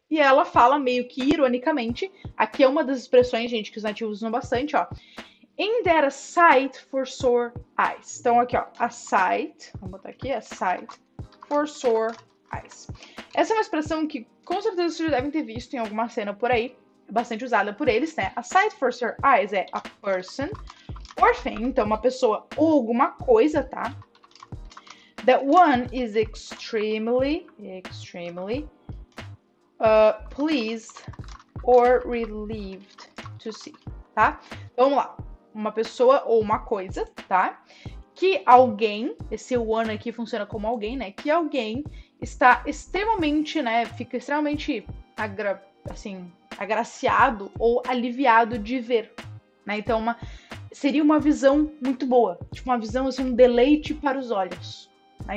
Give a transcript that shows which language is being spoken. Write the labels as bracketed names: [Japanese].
[Portuguese] ela fala meio que ironicamente, aqui é uma das expressões, gente, que os nativos usam bastante, ó. [English] Ain't that a sight for sore eyes? [Portuguese] Então, aqui, ó, a sight, vamos botar aqui, [English] a sight for sore eyes. [Portuguese] Essa é uma expressão que, com certeza, vocês já devem ter visto em alguma cena por aí, bastante usada por eles, né? [English] A sight for sore eyes é a person or thing, [Portuguese] então uma pessoa ou alguma coisa, tá? [English] That one is extremely, extremely, pleased or relieved to see, tá? [Portuguese] Então, vamos lá. Uma pessoa ou uma coisa, tá? Que alguém, esse one aqui funciona como alguém, né? Que alguém está extremamente, né? Fica extremamente, assim, agraciado ou aliviado de ver, né? Então, seria uma visão muito boa. Tipo, uma visão, assim, um deleite para os olhos, né?